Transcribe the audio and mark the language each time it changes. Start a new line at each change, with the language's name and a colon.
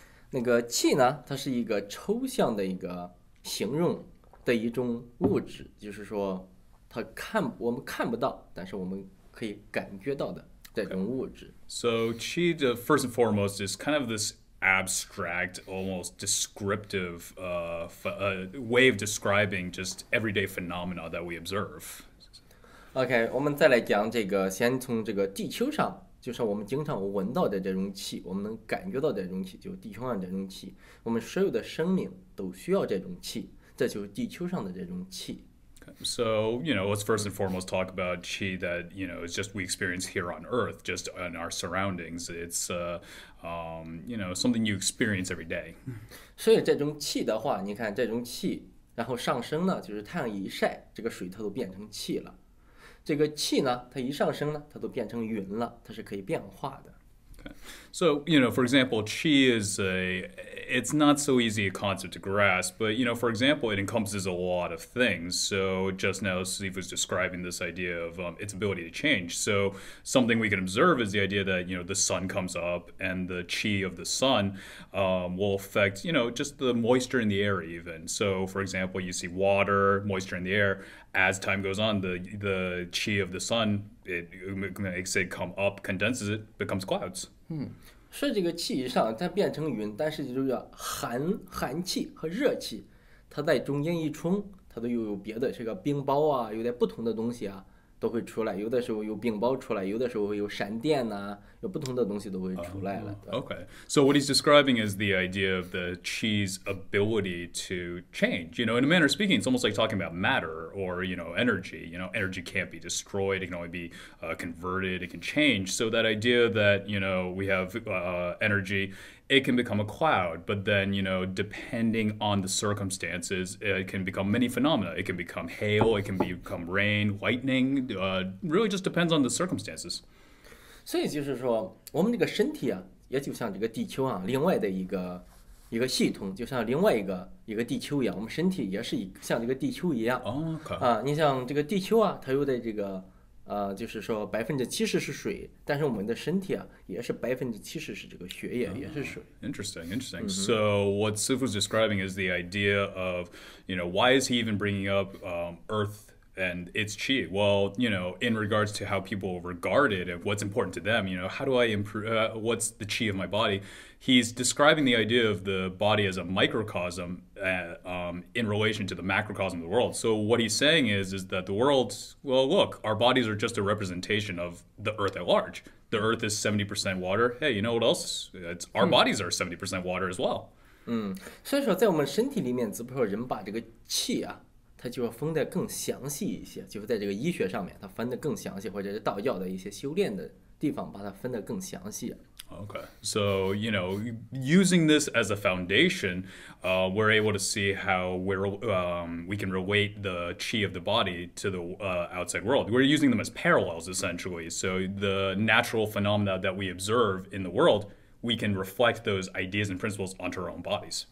Chinese: 那个气呢，它是一个抽象的一个形容的一种物质，就是说它看我们看不到，但是我们可以感觉到的这种物质。
English: Okay. So qi, first and foremost, is kind of this abstract, almost descriptive way of describing just everyday phenomena that we observe.
Chinese: Okay, 我们再来讲这个，先从这个地球上。就是我们经常闻到的这种气，我们能感觉到的这种气，就是地球上的这种气。我们所有的生命都需要这种气，这就是地球上的这种气。
English: So, you know, let's first and foremost talk about qi that, you know, is just we experience here on Earth, just in our surroundings. It's, you know, something you experience every day.
Chinese: 所以这种气的话，你看这种气，然后上升呢，就是太阳一晒，这个水它都变成气了。这个气呢，它一上升呢，它都变成云了，它是可以变化的。
English: Okay. So, you know, for example, qi is a, it's not so easy a concept to grasp, but, you know, for example, it encompasses a lot of things. So just now, Steve was describing this idea of its ability to change. So something we can observe is the idea that, you know, the sun comes up and the qi of the sun will affect, you know, just the moisture in the air even. So, for example, you see water, moisture in the air. As time goes on, the qi of the sun, it makes it come up, condenses it, becomes clouds.
Chinese: 所以这个气一上它变成云，但是就叫寒气和热气，它在中间一冲，它都有别的这个冰雹啊，有点不同的东西啊都会出来，有的时候有冰雹出来，有的时候会有闪电啊，有不同的东西都会出来了。
English: Okay, so what he's describing is the idea of the qi's ability to change. You know, in a manner of speaking, it's almost like talking about matter or, you know, energy. You know, energy can't be destroyed, it can only be converted, it can change. So that idea that, you know, we have energy, it can become a cloud, but then, you know, depending on the circumstances, it can become many phenomena. It can become hail, it can become rain, lightning, really just depends on the circumstances.
Chinese: 所以就是说我们这个身体啊，也就像这个地球啊，另外的一个系统，就像另外一个地球一样，我们身体也是像这个地球一样。
English: Oh, okay.
Chinese: 啊，你像这个地球啊，它有的这个就是说70%是水，但是我们的身体啊，也是70%是这个血液，也是水。
English: Interesting, interesting. Mm-hmm. So what Sif was describing is the idea of, you know, why is he even bringing up Earth and its qi? Well, you know, in regards to how people regard it, and what's important to them, you know, how do I improve, what's the qi of my body? He's describing the idea of the body as a microcosm in relation to the macrocosm of the world. So what he's saying is that the world, well, look, our bodies are just a representation of the earth at large. The earth is 70% water. Hey, you know what else? It's our bodies are 70% water as well.
Chinese: 所以说在我们身体里面，只不过人把这个气啊，它就分得更详细一些，就是在这个医学上面，它分得更详细，或者是道教的一些修炼的地方，把它分得更详细。
English: Okay, so, you know, using this as a foundation, we're able to see how we can relate the qi of the body to the outside world. We're using them as parallels, essentially. So the natural phenomena that we observe in the world, we can reflect those ideas and principles onto our own bodies.